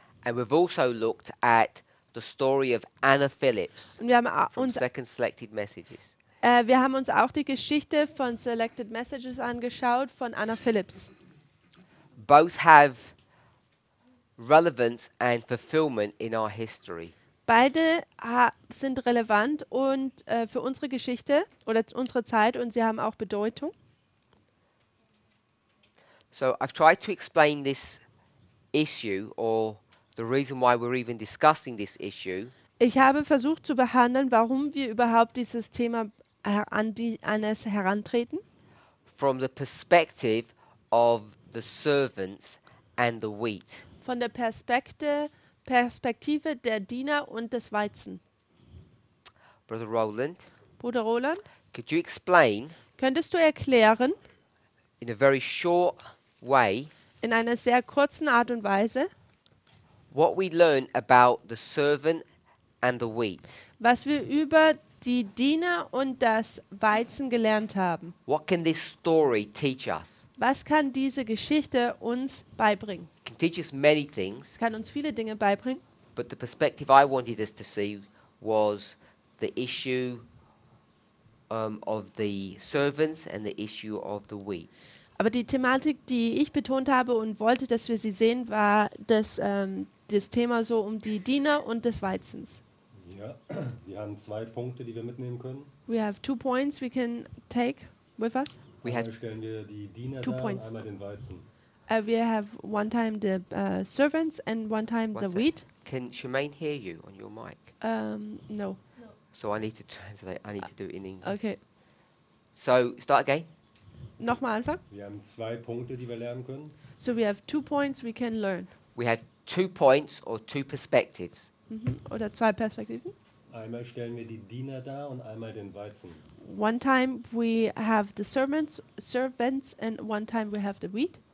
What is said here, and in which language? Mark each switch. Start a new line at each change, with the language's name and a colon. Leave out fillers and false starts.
English: And we've also looked at the story of Anna Phillips from Second Selected Messages.
German: Wir haben uns auch die Geschichte von Selected Messages angeschaut von Anna Phillips.
English: Both have relevance and fulfillment in our history.
German: Beide sind relevant und für unsere Geschichte oder unsere Zeit und sie haben auch Bedeutung.
English: So I've tried to explain this issue or the reason why we're even discussing this issue.
German: Ich habe versucht zu behandeln, warum wir überhaupt dieses Thema an es herantreten.
English: From the perspective of the servants and the wheat.
German: Von der Perspektive der Diener und des Weizen.
English: Brother Roland.
German: Bruder Roland.
English: Could you explain?
German: Könntest du erklären?
English: In a very short way.
German: In einer sehr kurzen Art und Weise.
English: What we learn about the servant and the wheat.
German: Was wir über die Diener und das Weizen gelernt haben.
English: What can this story teach us?
German: Was kann diese Geschichte uns beibringen?
English: It can teach us many things.
German: Kann uns viele Dinge beibringen.
English: But the perspective I wanted us to see was the issue of the servants and the issue of the wheat.
German: Aber die Thematik, die ich betont habe und wollte, dass wir sie sehen, war das, das Thema so um die Diener und des Weizens. Ja, wir haben zwei Punkte, die wir mitnehmen können.
English: We have two points we can take with us. We have stellen wir die Diener two da, points. Einmal den Weizen. We have one time the servants and one time one the wheat. Can Shemaine hear you on your mic? No. So I need to translate. I need to do it in English. Okay. So start again.
German: Nochmal anfangen. Wir haben zwei Punkte, die wir lernen können.
English: So we have two points we can learn. We have two points or two perspectives.
German: Mm-hmm. Oder zwei Perspektiven. Einmal stellen wir die Diener da und einmal den Weizen.
English: One time we have the servants and one time we have the wheat.